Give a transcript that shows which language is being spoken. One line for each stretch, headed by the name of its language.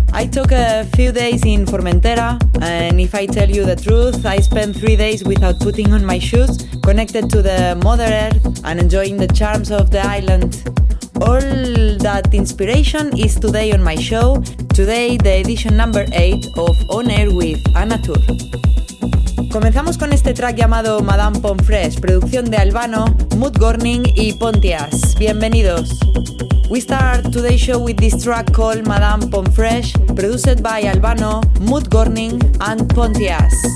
English: I took a few days in Formentera, and if I tell you the truth, I spent 3 days without putting on my shoes, connected to the Mother Earth and enjoying the charms of the island. All that inspiration is today on my show, today the edition number 8 of On Air with Anatur.
Spanish: Comenzamos con este track llamado Madame Pomfresh, producción de Albano, Mood Gorning y Pontias. Bienvenidos.
English: We start today's show with this track called Madame Pomfresh, produced by Albano, Mood Gorning and Pontias.